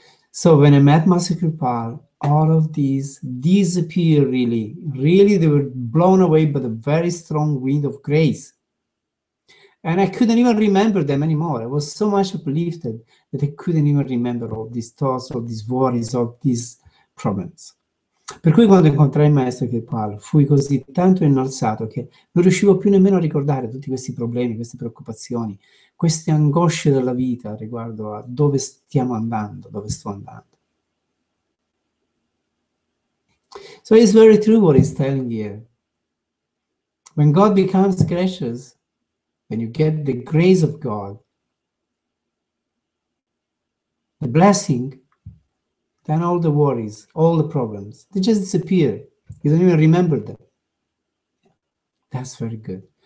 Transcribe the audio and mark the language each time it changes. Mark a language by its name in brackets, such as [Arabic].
[English] So when I met Master Kripal, all of these disappeared, really. Really, they were blown away by the very strong wind of grace. And I couldn't even remember them anymore. I was so much uplifted that I couldn't even remember all these thoughts, all these worries, all these problems. [Italian] Per cui quando incontrai Maestro Kripal, fui così tanto innalzato che non riuscivo più nemmeno a ricordare tutti questi problemi, queste preoccupazioni, queste angosce della vita riguardo a dove stiamo andando, dove sto andando. [English] So it's very true what he's telling here. When God becomes gracious, when you get the grace of God, the blessing, then all the worries, all the problems, they just disappear. You don't even remember them. That's very good.